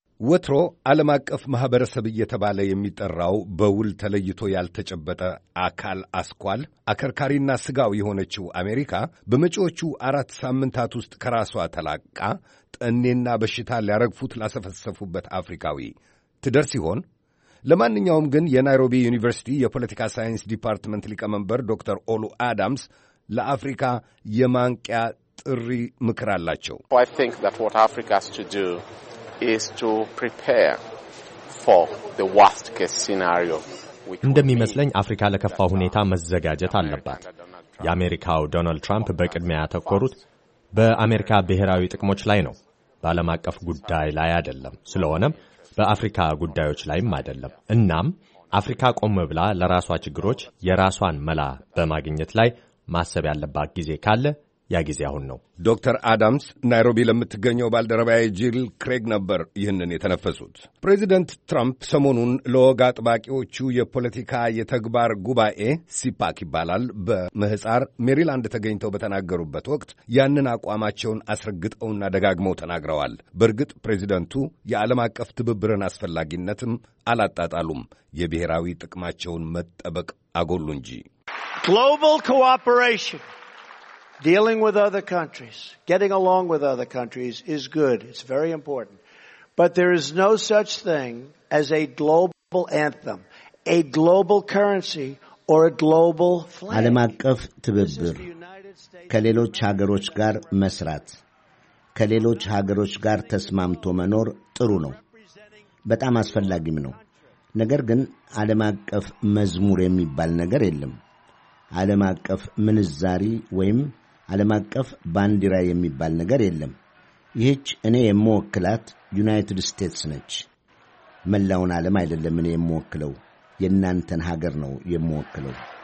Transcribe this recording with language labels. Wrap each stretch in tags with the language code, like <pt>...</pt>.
<am>ወትሮ ዓለም አቀፍ ማህበረሰብ እየተባለ የሚጠራው በውል ተለይቶ ያልተጨበጠ አካል አስኳል አከርካሪና ስጋው የሆነችው አሜሪካ በመጪዎቹ 4 ሳምንታት ውስጥ ከራሷ ተላቃ ጠኔና በሽታ ሊያረግፉት ላሰፈሰፉበት አፍሪካዊ ትደርስ ይሆን? ለማንኛውም ግን የናይሮቢ ዩኒቨርሲቲ የፖለቲካ ሳይንስ ዲፓርትመንት ሊቀመንበር ዶክተር ኦሉ አዳምስ ለአፍሪካ የማንቂያ ጥሪ ምክር አላቸው።</am> <en>I think that what Africa has to do is to prepare for the worst case scenario.</en> <am>እንደሚመስለኝ አፍሪካ ለከፋው ሁኔታ መዘጋጀት አለባት። የአሜሪካው ዶናልድ ትራምፕ በቅድሚያ ተቆሩት በአሜሪካ ብሔራዊ ጥቅሞች ላይ ነው፣ በዓለም አቀፍ ጉዳይ ላይ አይደለም። ስለሆነም በአፍሪካ ጉዳዮች ላይም አይደለም። እናም አፍሪካ ቆም ብላ ለራሷ ችግሮች የራሷን መላ በማግኘት ላይ ማሰብ ያለባት ጊዜ ካለ ያ ጊዜ አሁን ነው። ዶክተር አዳምስ ናይሮቢ ለምትገኘው ባልደረባዬ ጂል ክሬግ ነበር ይህንን የተነፈሱት። ፕሬዚደንት ትራምፕ ሰሞኑን ለወግ አጥባቂዎቹ የፖለቲካ የተግባር ጉባኤ ሲፓክ ይባላል በምህፃር ሜሪላንድ ተገኝተው በተናገሩበት ወቅት ያንን አቋማቸውን አስረግጠውና ደጋግመው ተናግረዋል። በእርግጥ ፕሬዚደንቱ የዓለም አቀፍ ትብብርን አስፈላጊነትም አላጣጣሉም፣ የብሔራዊ ጥቅማቸውን መጠበቅ አጎሉ እንጂ።</am> <en>ግሎባል ኮኦፐሬሽን Dealing with other countries, getting along with other countries is good. It's very important. But there is no such thing as a global anthem, a global currency, or a global flag.</en> <am>ዓለም አቀፍ ትብብር ከሌሎች ሀገሮች ጋር መስራት፣ ከሌሎች ሀገሮች ጋር ተስማምቶ መኖር ጥሩ ነው፣ በጣም አስፈላጊም ነው። ነገር ግን ዓለም አቀፍ መዝሙር የሚባል ነገር የለም። ዓለም አቀፍ ምንዛሪ ወይም ዓለም አቀፍ ባንዲራ የሚባል ነገር የለም። ይህች እኔ የምወክላት ዩናይትድ ስቴትስ ነች። መላውን ዓለም አይደለም እኔ የምወክለው፣ የእናንተን ሀገር ነው የምወክለው።</am>